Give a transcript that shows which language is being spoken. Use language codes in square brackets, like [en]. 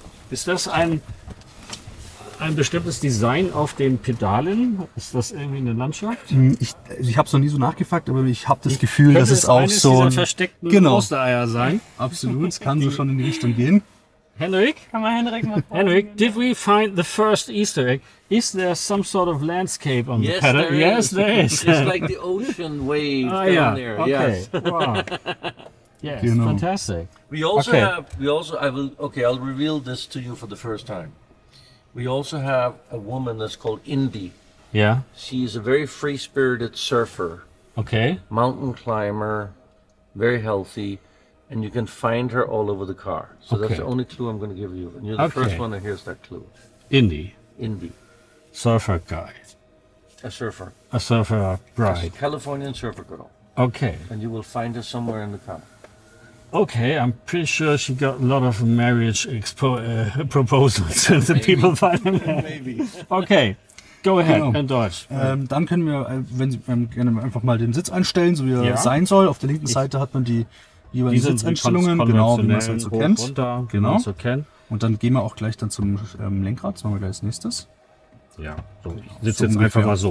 [de] Ist das ein bestimmtes Design auf den Pedalen? Ist das irgendwie eine Landschaft? Ich habe es noch nie so nachgefragt, aber ich habe das Gefühl, dass es auch so ein versteckten Ostereier sein. Absolut, es kann so schon in die Richtung gehen. Henrik? Kann man Henrik mal fragen? [en] Henrik, did we find the first Easter egg? Is there some sort of landscape on the pedal? There is. It's like the ocean wave down there. Okay. Yes. Wow. Yes, fantastic. We also I'll reveal this to you for the first time. We also have a woman that's called Indy. Yeah. She is a very free-spirited surfer. Okay. Mountain climber, very healthy, and you can find her all over the car. So that's the only clue I'm going to give you. And you're the first one that hears that clue. Indy. Indy. Surfer guy. A surfer. A surfer bride. A Californian surfer girl. Okay. And you will find her somewhere in the car. Okay, I'm pretty sure she got a lot of marriage proposals and the people find them. Maybe. Okay, go ahead, in Deutsch. [de] Dann können wir, wenn Sie gerne einfach mal den Sitz einstellen, so wie er sein soll. Auf der linken Seite hat man die jeweiligen Sitzeinstellungen, genau, wie man es halt so kennt. Genau. Und dann gehen wir auch gleich dann zum Lenkrad, das machen wir gleich als nächstes. Ja, so. Sitz jetzt einfach mal so.